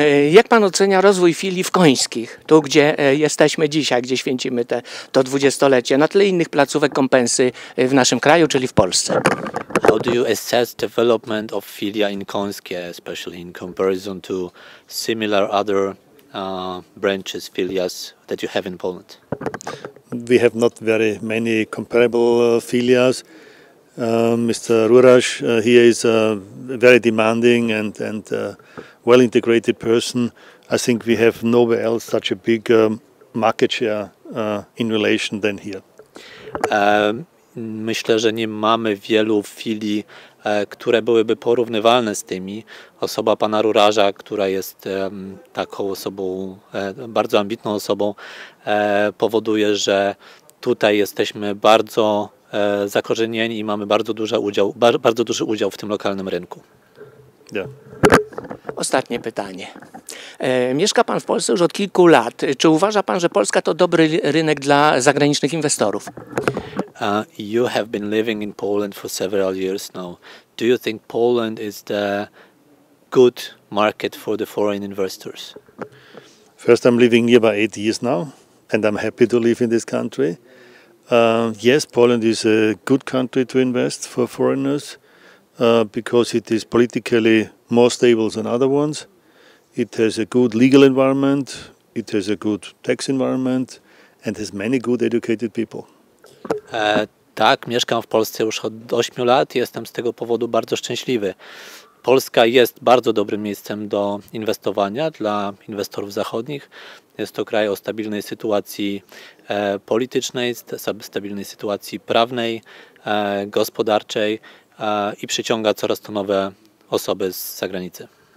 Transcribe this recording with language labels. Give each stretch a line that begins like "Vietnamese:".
Polish: Jak pan ocenia rozwój filii w Końskich, tu gdzie jesteśmy dzisiaj, gdzie święcimy to dwudziestolecie, na tle innych placówek kompensy w naszym kraju, czyli w Polsce?
English: How do you assess development of filia in Końskie, especially in comparison to similar other branches, filias that you have in Poland? We have not very many comparable filias. Mr. Ruraš, he is a very demanding and well-integrated person. I think we have nowhere else such a big market share in relation than here.
Polish: Myślę, że nie mamy wielu filii, które byłyby porównywalne z tymi. Osoba pana Ruraża, która jest taką osobą, bardzo ambitną osobą, powoduje, że tutaj jesteśmy bardzo zakorzenieni i mamy bardzo duży udział w tym lokalnym rynku.
English: Yeah.
Polish: Ostatnie pytanie. Mieszka pan w Polsce już od kilku lat. Czy uważa pan, że Polska to dobry rynek dla zagranicznych inwestorów?
English: You have been living in Poland for several years now. Do you think Poland is the good market for the foreign investors? First, I'm living here by 8 years now, and I'm happy to live in this country. Yes, Poland is a good country to invest for foreigners because it is politically more stable than other ones. It has a good legal environment, it has a good tax environment and has many good educated people.
Polish: Tak, mieszkam w Polsce już od 8 lat i jestem z tego powodu bardzo szczęśliwy. Polska jest bardzo dobrym miejscem do inwestowania dla inwestorów zachodnich. Jest to kraj o stabilnej sytuacji politycznej, stabilnej sytuacji prawnej, gospodarczej i przyciąga coraz to nowe osoby z zagranicy.